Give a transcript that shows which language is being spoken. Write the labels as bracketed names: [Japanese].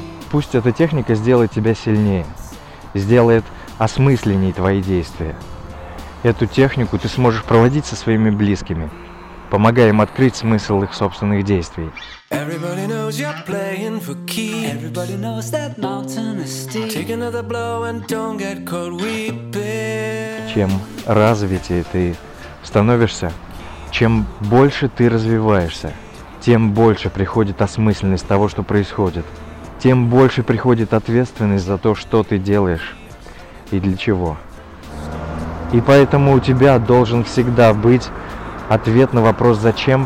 [Russian] Пусть эта техника сделает тебя сильнее, сделает осмысленнее твои действия. Эту технику ты сможешь проводить со своими близкими, помогая им открыть смысл их собственных действий. [English] Everybody knows you're playing for keeps. Everybody knows that mountain is steep. Take another blow and don't get caught weeping. [Russian] Чем развитее ты становишься, чем больше ты развиваешься, тем больше приходит осмысленность того, что происходит, тем больше приходит ответственность за то, что ты делаешь и для чего. И поэтому у тебя должен всегда быть ответ на вопрос «Зачем?»